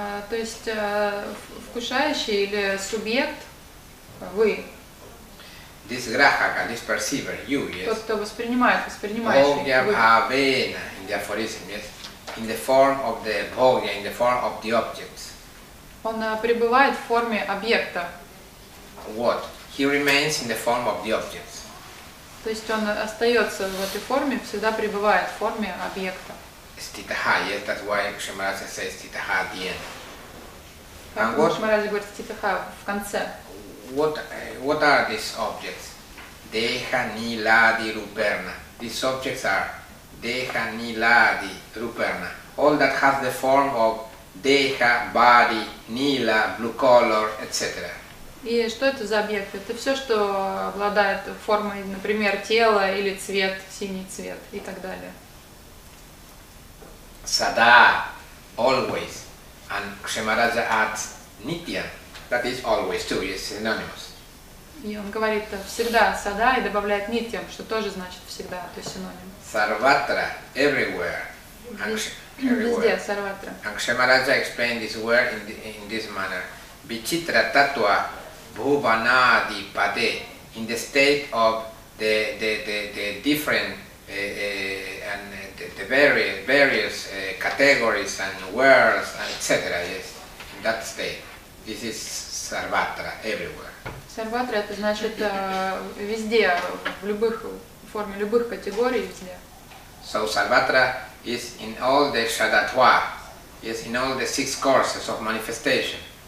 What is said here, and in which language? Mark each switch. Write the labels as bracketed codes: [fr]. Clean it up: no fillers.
[ru] То есть вкушающий или субъект, вы. [en] This grahaka, this perceiver, you, yes. [ru] Тот, кто воспринимает, воспринимающий, [sa] Bhogya [ru] вы. [sa] Bhogya bhavena, [en] in the aphorism, yes. In the form of the bhogya, in the form of the objects. [ru] Он пребывает в форме объекта. [en] What? He remains in the form of the objects. [ru] То есть он остается в этой форме, всегда пребывает в форме объекта. [en] Ститаха, yes, that's why Кшамараджа says ститаха at the end. [ru] Как Кшамараджа говорит ститаха в конце? [en] What are these objects? [sa] Deha niladi ruperna. [en] These objects are [sa] deha niladi ruperna. [en] All that has the form of deha, body, nila, blue color, etc. [ru] И что это за объекты? Это все, что обладает формой, например, тела или цвет, синий цвет и так далее. [en] Sada, always, and Кшемараджа adds nitya, that is always too, is synonymous. [ru] И он говорит всегда сада и добавляет нитья, что тоже значит всегда, то есть синоним. [en] Sarvatra, everywhere. [ru] Везде sarvatra. [en] And Кшемараджа explained this word in this manner. [sa] Vichitra tatva bhuvanadi pade, [en] in the state of the different and the various categories and worlds and etc. Yes, in that state, this is sarvatra everywhere. [ru] Sarvatra это значит везде, в любых форме, любых категорий везде. [en] So sarvatra is in all the shadatva, yes, in all the six courses of manifestation.